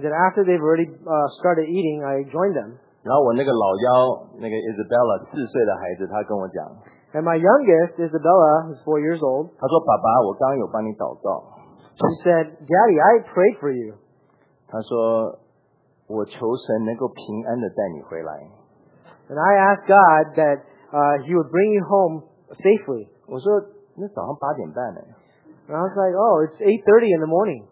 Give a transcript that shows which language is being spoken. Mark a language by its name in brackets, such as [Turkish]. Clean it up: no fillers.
[English] then after they've already started eating, I joined them. [Chinese] 然后我那个老幺, 那个 Isabella, 四岁的孩子, 他跟我讲, [English] and my youngest, Isabella, is 4 years old. [Chinese] 他说, 爸爸, 我刚刚有帮你祷告, [English] she said, Daddy, I prayed for you. [Chinese] 他说, [English] and I asked God that he would bring you home safely. [Chinese] 我说, [English] and I was like, oh, it's 8:30 in the morning.